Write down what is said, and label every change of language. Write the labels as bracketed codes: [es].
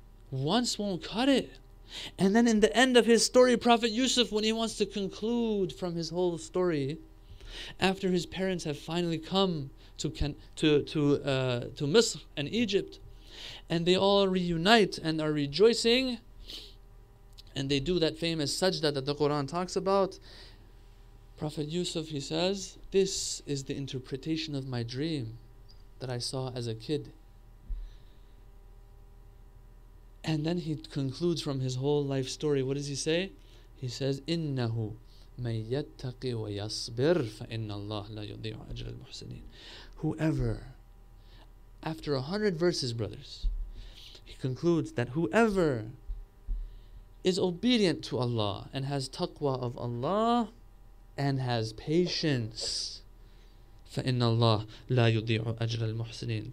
[en] Once won't cut it. And then in the end of his story, Prophet Yusuf, when he wants to conclude from his whole story, after his parents have finally come to Misr and Egypt, and they all reunite and are rejoicing, and they do that famous sajda that the Quran talks about, Prophet Yusuf, he says, this is the interpretation of my dream that I saw as a kid. And then he concludes from his whole life story. What does he say? He says, [ar] إِنَّهُ مَنْ يَتَّقِ وَيَصْبِرْ فَإِنَّ اللَّهَ لَا يُضِيعُ أَجْرَ الْمُحْسِنِينَ. [en] Whoever, after 100 verses, brothers, he concludes that whoever is obedient to Allah and has taqwa of Allah and has patience, [ar] فَإِنَّ اللَّهَ لَا يُضِيعُ أَجْرَ الْمُحْسِنِينَ.